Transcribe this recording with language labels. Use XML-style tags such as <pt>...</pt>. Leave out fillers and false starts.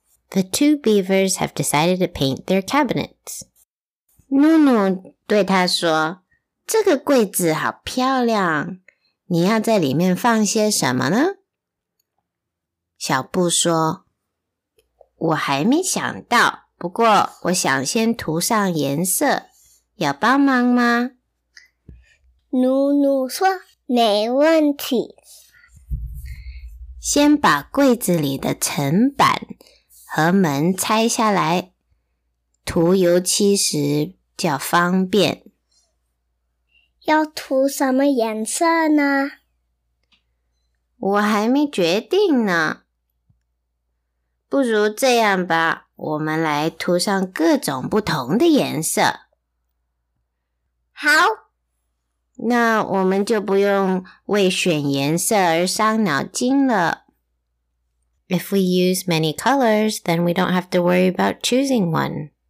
<en>The two beavers have decided to paint their cabinets.</en> <zh>努努对他说，这个柜子好漂亮，你要在里面放些什么呢？小布说，我还没想到，不过我想先涂上颜色，要帮忙吗？努努说，没问题。先把柜子里的层板和门拆下来，涂油漆时较方便。要涂什么颜色呢？我还没决定呢。不如这样吧，我们来涂上各种不同的颜色。好。那我们就不用为选颜色而伤脑筋了。</zh> <en>If we use many colors, then we don't have to worry about choosing one.</en>